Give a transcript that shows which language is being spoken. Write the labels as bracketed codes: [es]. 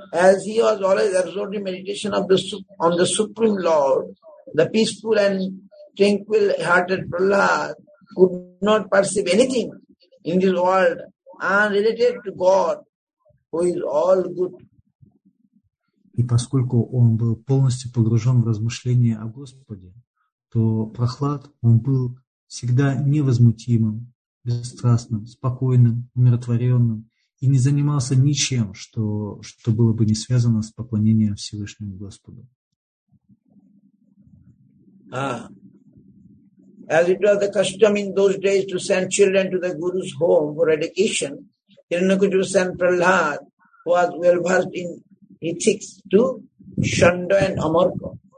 [en] As he was always absorbed in meditation on the Supreme Lord, the peaceful and tranquil-hearted Prahlad could not perceive anything in this world unrelated to God, who is all good. [ru] И поскольку он был полностью погружен в размышления о Господе, то Прохлад, он был всегда невозмутимым, бесстрастным, спокойным, умиротворенным и не занимался ничем, что было бы не связано с поклонением Всевышнему Господу. [en] As it was the custom in those days to send children to the Guru's home for education, Hiranyakashipu sent Prahlad, who was well-versed in ethics, to Shanda and Amarka.